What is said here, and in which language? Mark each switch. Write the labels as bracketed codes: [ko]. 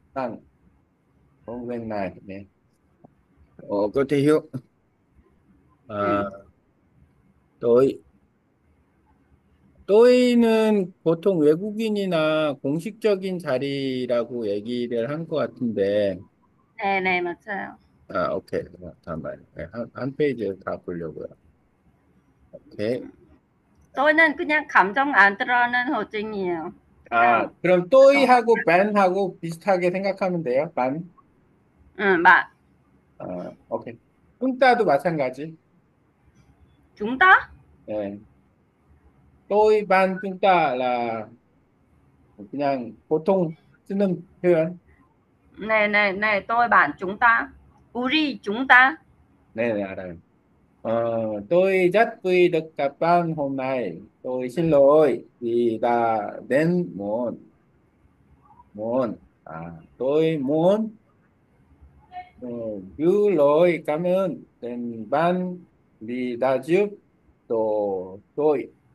[vi] thành công việc này nè có thể hiểu tôi nên [ko] 보통 외국인이나 공식적인 자리라고 얘기를 한것 같은데 네, 맞아요. 오케이 잠깐만 한 페이지를 다 보려고요. 오케이. 저는 그냥 감정 안 들어오는 호칭이에요. 아, 그냥 그럼 또이 하고 밴 하고 비슷하게 생각하면 돼요. 밴. 맞. 오케이. 쿵따도 마찬가지. 중다? 네. 또이 반 쿵따라 그냥 보통 쓰는 표현. 네, 또 [vi] bạn chúng ta. [ko] 우리 [vi] chúng ta. [ko] 네, 알아요. [vi] tôi rất vui được gặp bạn hôm nay. Tôi xin lỗi vì đã đến muộn. Tôi muốn gửi lời cảm ơn đến bạn vì đã giúp tôi.